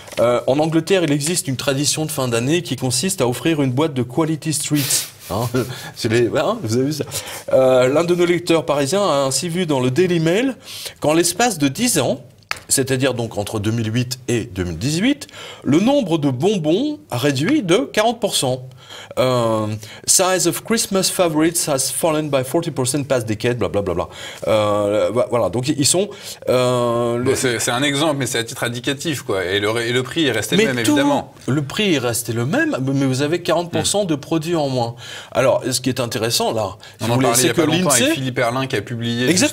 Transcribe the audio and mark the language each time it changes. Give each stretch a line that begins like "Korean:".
French: En Angleterre, il existe une tradition de fin d'année qui consiste à offrir une boîte de Quality Street. Vous avez vu ça. L'un de nos lecteurs parisiens a ainsi vu dans le Daily Mail qu'en l'espace de 10 ans, c'est-à-dire donc entre 2008 et 2018, le nombre de bonbons a réduit de 40%.
English: Size of Christmas favorites has fallen by 40% past decade, blablabla.
French: Voilà, donc ils sont... C'est un exemple, mais c'est à titre indicatif, quoi. Et le prix est resté le même, évidemment. Le prix est resté le même, mais vous avez 40% de produits en moins. Alors, ce qui est intéressant, là, c'est que l'INSEE... On en parlait il y a pas longtemps avec Philippe Erlin qui a publié